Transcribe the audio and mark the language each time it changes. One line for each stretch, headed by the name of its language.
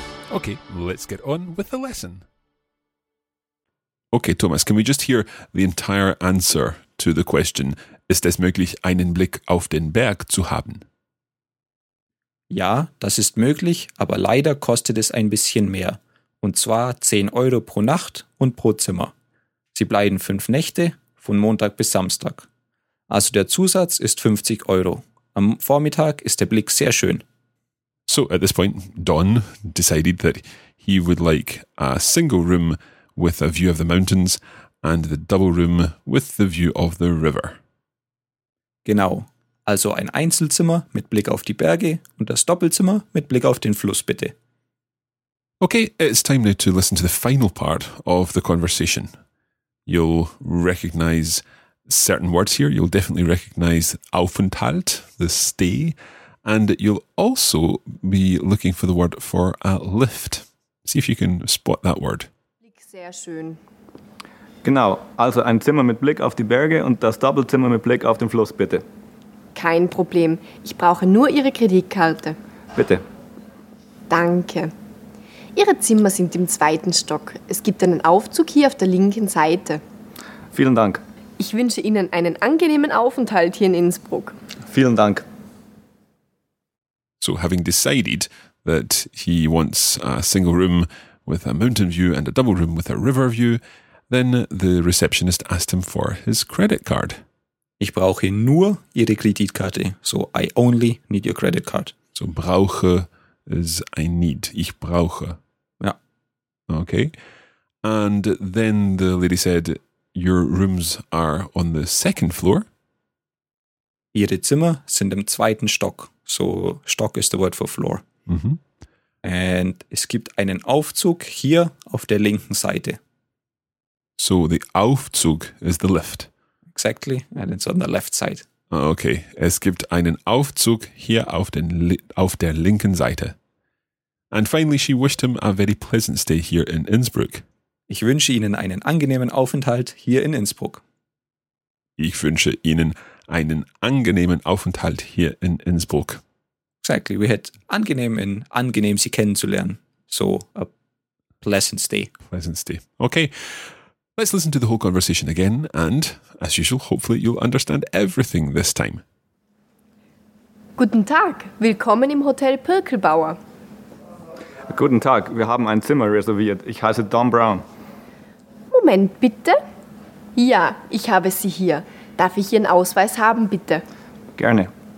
English: Okay, let's get on with the lesson. Okay, Thomas, can we just hear the entire answer to the question,
German: ist es möglich, einen Blick auf den Berg zu haben? Ja, das ist möglich, aber leider kostet es ein bisschen mehr. Und zwar 10 Euro pro Nacht und pro Zimmer. Sie bleiben 5 Nächte, von Montag bis Samstag. Also der Zusatz ist 50 Euro. Am Vormittag ist der Blick sehr schön.
English: So at this point, Don decided that he would like a single room with a view of the mountains and the double room with the view of the river.
German: Genau. Also ein Einzelzimmer mit Blick auf die Berge und das Doppelzimmer mit Blick auf den Fluss, bitte.
English: Okay, it's time now to listen to the final part of the conversation. You'll recognize certain words here. You'll definitely recognize Aufenthalt, the stay. And you'll also be looking for the word for a lift. See if you can spot that word.
German: Blick sehr schön. Genau, also ein Zimmer mit Blick auf die Berge und das Doppelzimmer mit Blick auf den Fluss, bitte. Kein Problem. Ich brauche nur Ihre Kreditkarte. Bitte. Danke. Ihre Zimmer sind im zweiten Stock. Es gibt einen Aufzug hier auf der linken Seite. Vielen Dank. Ich wünsche Ihnen einen angenehmen Aufenthalt hier in Innsbruck. Vielen Dank.
English: So having decided that he wants a single room with a mountain view and a double room with a river view, then the receptionist asked him for his credit card.
German: Ich brauche nur Ihre Kreditkarte.
English: So I only need your credit card. So brauche is I need.
German: Ich brauche. Ja.
English: Okay. And then the lady said, your rooms are on the second floor.
German: Ihre Zimmer sind im zweiten Stock.
English: So, Stock ist the word for floor. Mm-hmm. And
German: es gibt einen Aufzug hier auf der linken Seite.
English: So the Aufzug is the lift. Exactly, and it's on the left side.
German: Okay, es gibt einen Aufzug hier auf der linken Seite.
English: And finally, she wished him a very pleasant stay here in Innsbruck.
German: Ich wünsche Ihnen einen angenehmen Aufenthalt hier in Innsbruck. Ich wünsche Ihnen einen angenehmen Aufenthalt hier in Innsbruck.
English: Exactly, we had angenehm in
German: angenehm Sie kennenzulernen.
English: So, a pleasant stay. Pleasant stay. Okay, let's listen to the whole conversation again and, as usual, hopefully you'll understand everything this time.
German: Guten Tag, willkommen im Hotel Pirkelbauer. Guten Tag, wir haben ein Zimmer reserviert. Ich heiße Don Brown. Moment bitte. Ja, ich habe Sie hier. Darf ich Ihren Ausweis haben, bitte? Gerne.